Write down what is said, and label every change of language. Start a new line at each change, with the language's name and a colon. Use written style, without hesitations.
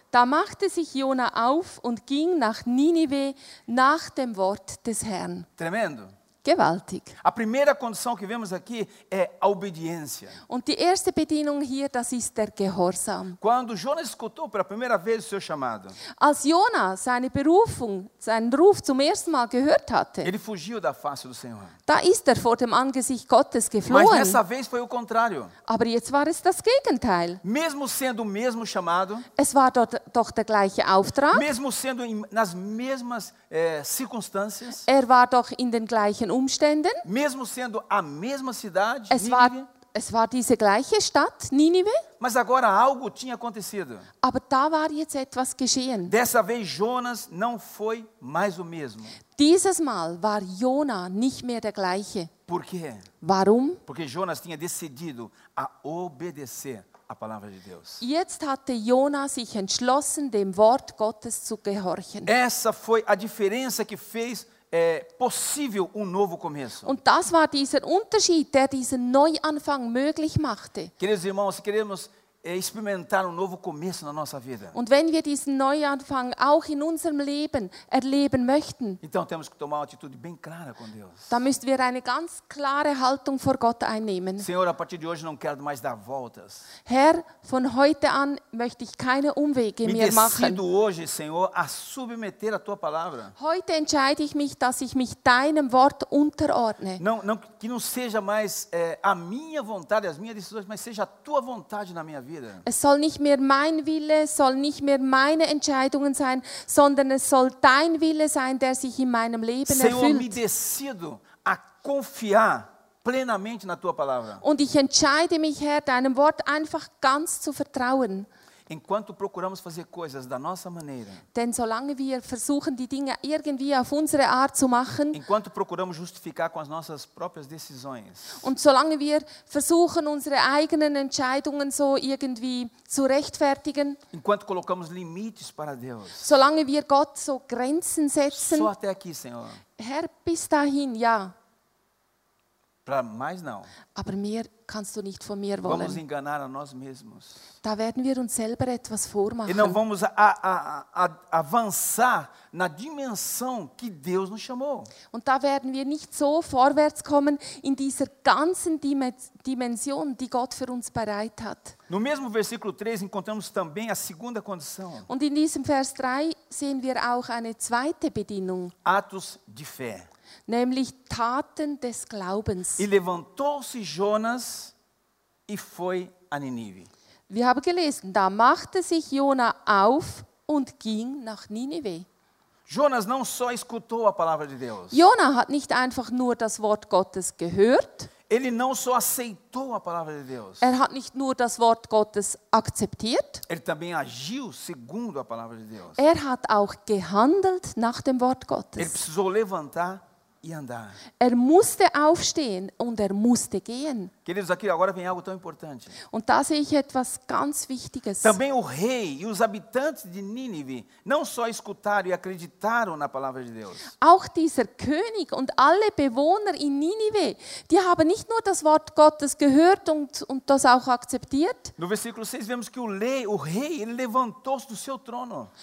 German: Da machte sich Jonah auf und ging nach Ninive nach dem Wort des Herrn.
Portuguese: Tremendo.
German: Gewaltig.
Portuguese: A primeira condição que vemos aqui é a obediência.
German: Und die erste Bedingung hier, das ist der Gehorsam.
Portuguese: Quando Jonas escutou pela primeira vez o seu chamado.
German: Als Jonas seine Berufung, seinen Ruf zum ersten Mal gehört hatte.
Portuguese: Ele fugiu da face do Senhor.
German: Da ist er vor dem Angesicht Gottes geflohen.
Portuguese: Mas dessa vez foi o contrário.
German: Aber jetzt war es das Gegenteil.
Portuguese: Mesmo sendo o mesmo chamado.
German: Es war doch der gleiche Auftrag.
Portuguese: Mesmo sendo nas mesmas circunstâncias.
German: Er war doch in den gleichen Umständen.
Portuguese: Mesmo sendo a mesma cidade,
German: es war diese gleiche Stadt, Nínive.
Portuguese: Mas agora algo tinha acontecido.
German: Aber da war jetzt etwas geschehen.
Portuguese: Dessa vez Jonas não foi mais o mesmo.
German: Dieses Mal war Jonah nicht mehr der gleiche.
Portuguese: Por quê?
German: Warum?
Portuguese: Porque Jonas tinha decidido a obedecer à palavra de Deus.
German: Jetzt hatte Jonah sich entschlossen, dem Wort Gottes zu gehorchen.
Portuguese: Essa foi a diferença que fez possível um novo começo.
German: Und das war dieser Unterschied, der diesen Neuanfang möglich machte.
Portuguese: Queridos irmãos, queremos experimentar um novo começo na nossa vida.
German: Und wenn wir diesen Neuanfang auch in unserem Leben erleben möchten,
Portuguese: então temos que tomar uma atitude bem clara com Deus.
German: Da müssen wir eine ganz klare Haltung vor Gott einnehmen.
Portuguese: Senhor, a partir de hoje não quero mais dar voltas.
German: Herr, von heute an möchte ich keine Umwege mehr machen.
Portuguese: Me decido hoje, Senhor, a submeter a tua palavra.
German: Heute entscheide ich mich, dass ich mich deinem Wort unterordne.
Portuguese: Não, que não seja mais a minha vontade, as minhas decisões, mas seja a tua vontade na minha vida.
German: Es soll nicht mehr mein Wille, soll nicht mehr meine Entscheidungen sein, sondern es soll dein Wille sein, der sich in meinem Leben erfüllt.
Portuguese: Senhor, me decido a confiar plenamente na tua palavra.
German: Und ich entscheide mich, Herr, deinem Wort einfach ganz zu vertrauen.
Portuguese: Enquanto procuramos fazer coisas da nossa maneira.
German: Denn solange wir versuchen, die Dinge irgendwie auf unsere Art zu machen.
Portuguese: Enquanto procuramos justificar com as nossas próprias decisões.
German: Und solange wir versuchen, unsere eigenen Entscheidungen so irgendwie zu rechtfertigen.
Portuguese: Enquanto colocamos limites para Deus.
German: Solange wir Gott so Grenzen setzen.
Portuguese: Só até aqui, Senhor.
German: Herr, bis dahin, ja.
Portuguese: Para mais não.
German: Aber mehr kannst du nicht von mir wollen.
Portuguese: Vamos enganar a nós mesmos.
German: Da werden wir uns selber etwas vormachen.
Portuguese: E não vamos avançar na dimensão que Deus nos chamou.
German: Und da werden wir nicht so vorwärts kommen in dieser ganzen Dimension, die Gott für uns bereit hat.
Portuguese: No mesmo versículo 3 encontramos também a segunda condição.
German: Und in diesem Vers 3 sehen wir auch eine zweite Bedingung.
Portuguese: Atos de fé.
German: Nämlich Taten des Glaubens.
Portuguese: E levantou-se Jonas e foi a Nínive.
German: Wir haben gelesen, da machte sich Jonah auf und ging nach Nínive.
Portuguese: Jonas não só escutou a palavra de Deus.
German: Jonah hat nicht einfach nur das Wort Gottes gehört.
Portuguese: Ele não só aceitou a palavra de Deus.
German: Er hat nicht nur das Wort Gottes akzeptiert.
Portuguese: Ele também agiu segundo a palavra de Deus.
German: Er hat auch gehandelt nach dem Wort Gottes.
Portuguese: Ele precisou levantar e andar.
German: Er musste aufstehen und er musste gehen.
Portuguese: Queridos, aqui agora vem algo tão importante.
German: Und da sehe ich etwas ganz Wichtiges.
Portuguese: Também o rei e os habitantes de Nínive não só escutaram e acreditaram na palavra de Deus.
German: Auch dieser König und alle Bewohner in Nínive, die haben nicht nur das Wort Gottes gehört und das auch akzeptiert.
Portuguese: No versículo 6 vemos que o rei ele levantou-se do seu trono.